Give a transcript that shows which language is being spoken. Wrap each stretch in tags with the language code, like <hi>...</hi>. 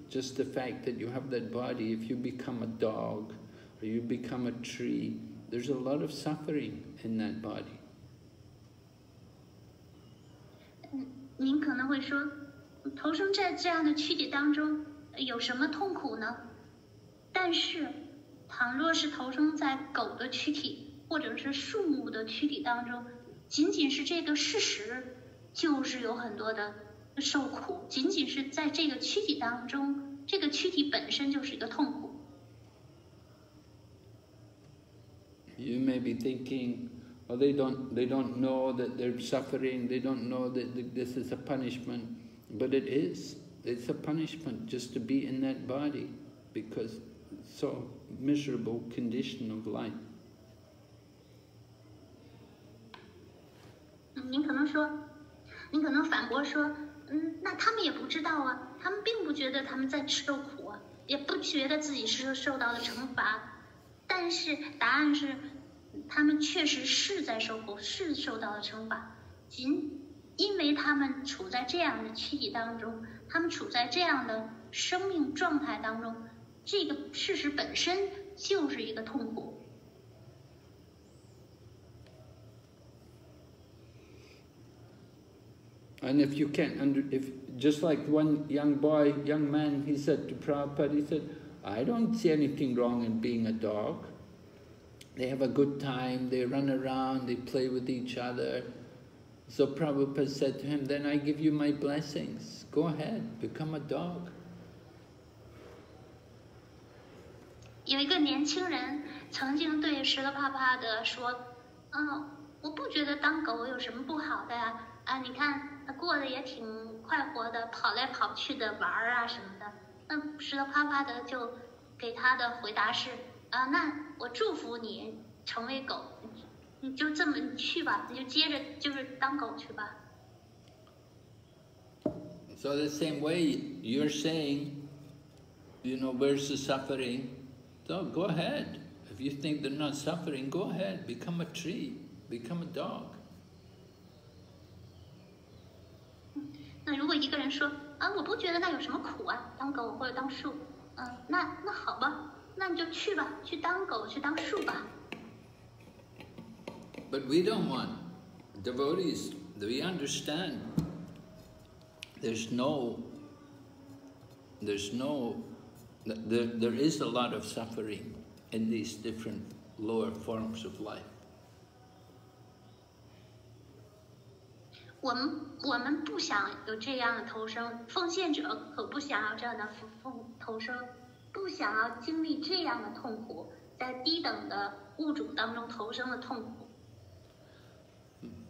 <en>Just the fact that you have that body, if you become a dog, or you become a tree, there's a lot of suffering in that body.</en> <zh>您可能会说，投生在这样的躯体当中有什么痛苦呢？但是，倘若是投生在狗的躯体，或者是树木的躯体当中，仅仅是这个事实，就是有很多的受苦，仅仅是在这个躯体当中，这个躯体本身就是一个痛苦。</zh> <en>You may be thinking, well, they don't know that they're suffering. They don't know that this is a punishment, but it is. It's a punishment just to be in that body, because it's so miserable condition of life.</en> <zh>您可能说，您可能反驳说。那他们也不知道啊，他们并不觉得他们在吃肉苦啊，也不觉得自己是受到了惩罚，但是答案是，他们确实是在受苦，是受到了惩罚，仅因为他们处在这样的躯体当中，他们处在这样的生命状态当中，这个事实本身就是一个痛苦。</zh> <en>And if you can't, if just like one young man, he said to Prabhupada, he said, I don't see anything wrong in being a dog. They have a good time, they run around, they play with each other. So Prabhupada said to him, then I give you my blessings. Go ahead, become a dog.</en> <zh>有一个年轻人曾经对石勒帕帕德说，我不觉得当狗有什么不好的呀，你看。他过得也挺快活的，跑来跑去的玩啊什么的。那石勒帕帕德就给他的回答是：那我祝福你成为狗，你就这么去吧，你就接着就是当狗去吧。</zh> <en>So the same way you're saying, you know, where's the suffering? So go ahead. If you think they're not suffering, go ahead. Become a tree. Become a dog.</en> <zh>那如果一个人说啊，我不觉得那有什么苦啊，当狗或者当树，那好吧，那你就去吧，去当狗，去当树吧。</zh> <en>But we don't want devotees. We understand there is a lot of suffering in these different lower forms of life.</en> <zh>我们不想有这样的投生，奉献者可不想要这样的投生，不想要经历这样的痛苦，在低等的物种当中投生的痛苦。</zh>